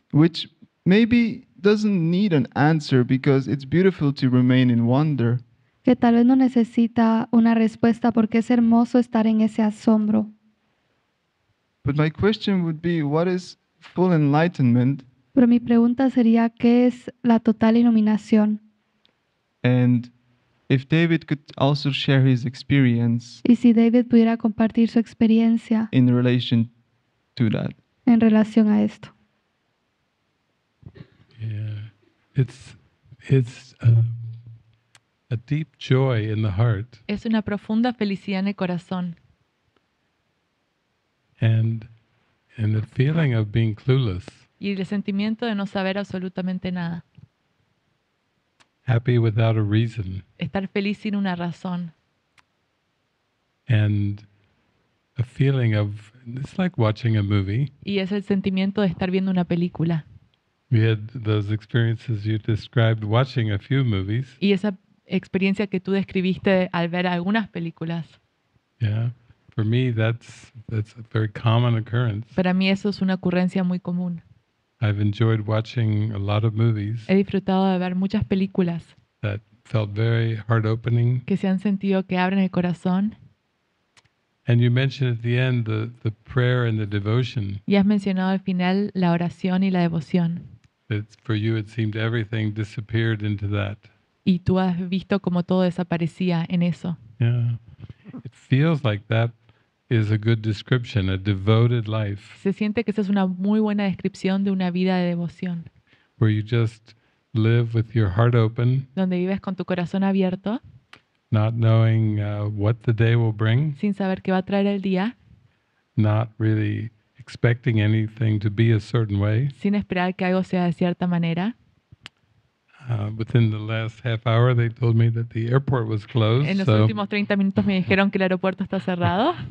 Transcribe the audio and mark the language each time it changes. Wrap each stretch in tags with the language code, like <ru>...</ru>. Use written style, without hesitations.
<en>which maybe doesn't need an answer because it's beautiful to remain in wonder,</en> <es>que tal vez no necesita una respuesta porque es hermoso estar en ese asombro.</es> <en>But my question would be, what is full enlightenment?</en> <es>Pero mi pregunta sería, ¿qué es la total iluminación?</es> <en>And if David could also share his experience,</en> <es>y si David pudiera compartir su experiencia,</es> <en>in relation to that,</en> <es>en relación a esto.</es> <en>Yeah, it's a deep joy in the heart.</en> <es>Es una profunda felicidad en el corazón.</es> <en>And the feeling of being clueless.</en> <es>Y el sentimiento de no saber absolutamente nada.</es> <en>Happy without a reason.</en> <es>Estar feliz sin una razón.</es> <en>And a feeling of, it's like watching a movie.</en> <es>Y es el sentimiento de estar viendo una película.</es> <en>We had those experiences you described watching a few movies.</en> <es>Y esa experiencia que tú describiste al ver algunas películas.</es> <en>Yeah, for me that's a very common occurrence.</en> <es>Para mí eso es una ocurrencia muy común.</es> <en>I've enjoyed watching a lot of movies.</en> <es>He disfrutado de ver muchas películas.</es> <en>That felt very heart-opening.</en> <es>Que se han sentido que abren el corazón.</es> <en>And you mentioned at the end the prayer and the devotion.</en> <es>Y has mencionado al final la oración y la devoción.</es> <en>It's for you, it seemed everything disappeared into that.</en> <es>Y tú has visto como todo desaparecía en eso.</es> <en>Yeah, it feels like that is a good description, a devoted life.</en> <es>Se siente que esa es una muy buena descripción de una vida de devoción.</es> <en>Where you just live with your heart open.</en> <es>Donde vives con tu corazón abierto.</es> <en>Not knowing what the day will bring.</en> <es>Sin saber qué va a traer el día.</es> <en>Not really expecting anything to be a certain way.</en> <es>Sin esperar que algo sea de cierta manera.</es> <en>Within the last half hour, they told me that the airport was closed.</en> <es>En los últimos 30 minutos me dijeron que el aeropuerto está cerrado.</es>